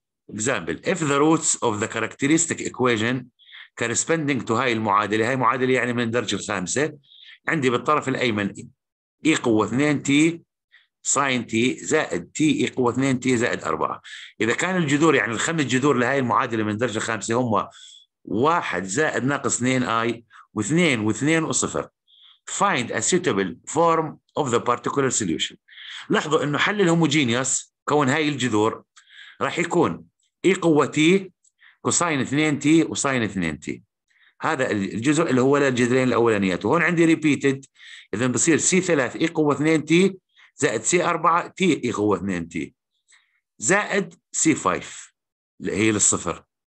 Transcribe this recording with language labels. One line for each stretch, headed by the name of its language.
English: example of the roots of the characteristic equation corresponding to
Arabic: هاي المعادله، هاي معادله يعني من الدرجه الخامسه، عندي بالطرف الايمن اي قوه 2 تي ساين تي زائد تي اي قوه 2 تي زائد 4. اذا كان الجذور يعني الخمس جذور لهي المعادله من الدرجه الخامسه هم 1 زائد ناقص 2i و2 و2 وصفر.
English: Find a suitable form of the particular solution.
Arabic: لاحظوا انه حل الهوموجينيوس كون هاي الجذور راح يكون اي قوة تي كوساين 2 تي وساين 2 تي. هذا الجزء اللي هو الجذرين الاولانيات، وهون عندي ريبيتد اذا بصير سي 3 اي قوة 2 تي زائد سي 4 تي اي قوة 2 تي زائد سي 5 اللي هي للصفر.